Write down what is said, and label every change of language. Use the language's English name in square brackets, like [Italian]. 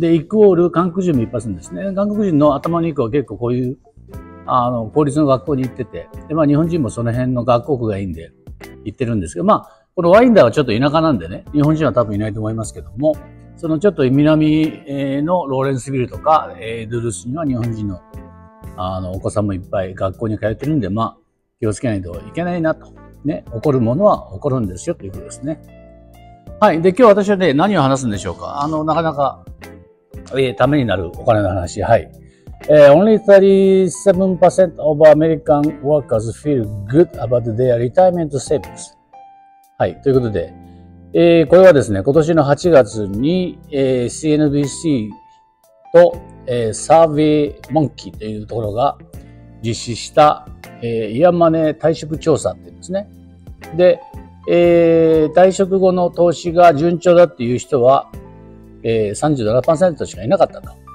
[Japanese] で、イクオール、韓国人もいっぱい住むんですね。韓国人の頭の肉は結構こういう、公立の学校に行ってて、で、まあ日本人もその辺の学校区がいいんで、行ってるんですけど、まあ、このワインダーはちょっと田舎なんでね、日本人は多分いないと思いますけども、そのちょっと南のローレンスビルとか、ドゥルスには日本人の、お子さんもいっぱい学校に通ってるんで、まあ、気をつけないといけないなと。ね、起こるものは起こるんですよ、ということですね。はい。で、今日私はね、何を話すんでしょうか。なかなか、ためになるお金の話。はい。 [English] Only 37% of American workers feel good about their retirement savings. [Japanese] はい。ということで、これはですね、今年の8月に、CNBC と、Survey Monkey というところが実施した、イヤマネ退職調査っていうんですね。で、退職後の投資が順調だっていう人は、37% しかいなかったと。